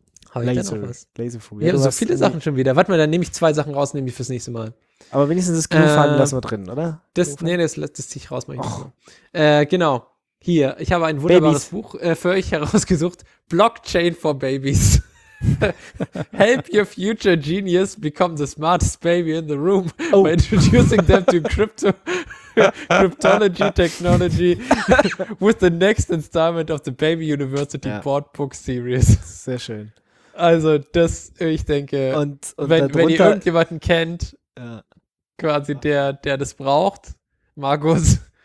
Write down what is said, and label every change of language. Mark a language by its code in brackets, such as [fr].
[de] Habe ich da noch was? Ja, so viele Sachen schon wieder. Warte mal, dann nehme ich zwei Sachen raus, nehme ich fürs nächste Mal. Aber wenigstens das Klufaden lassen wir drin, oder? Das ziehe ich raus. Mach ich nicht mehr. Genau. Hier, ich habe ein wunderbares Babys. Buch für euch herausgesucht. [en] Blockchain for Babies. Help your future genius become the smartest baby in the room by introducing them to cryptology technology with the next installment of the Baby University Board Book Series. [de] Sehr schön. Also das, ich denke, und wenn ihr irgendjemanden kennt, quasi der das braucht, Markus.